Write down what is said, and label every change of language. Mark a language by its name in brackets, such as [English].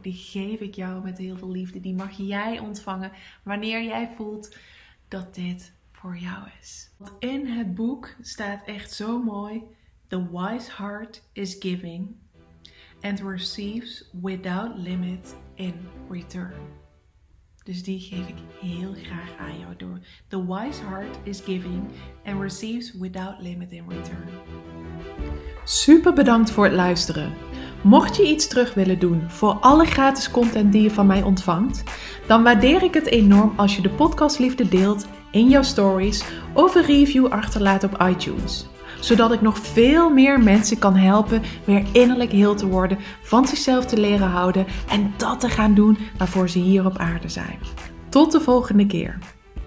[Dutch] Die geef ik jou met heel veel liefde. Die mag jij ontvangen wanneer jij voelt dat dit voor jou is. In het boek staat echt zo mooi: [English] The wise heart is giving and receives without limit in return. [Dutch] Dus die geef ik heel graag aan jou door. [English] The wise heart is giving and receives without limit in return. [Dutch] Super bedankt voor het luisteren. Mocht je iets terug willen doen voor alle gratis content die je van mij ontvangt, dan waardeer ik het enorm als je de podcastliefde deelt in jouw stories of een review achterlaat op iTunes. Zodat ik nog veel meer mensen kan helpen weer innerlijk heel te worden, van zichzelf te leren houden en dat te gaan doen waarvoor ze hier op aarde zijn. Tot de volgende keer!